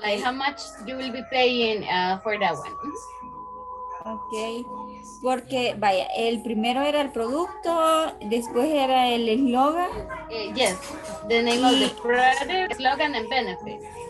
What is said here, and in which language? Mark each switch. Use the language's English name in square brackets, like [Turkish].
[English] Like how much you will be paying for that one? Okay. [Spanish] Porque vaya, el primero era el producto, después era el eslogan. [English] Yes. The name of the product, eslogan and benefits.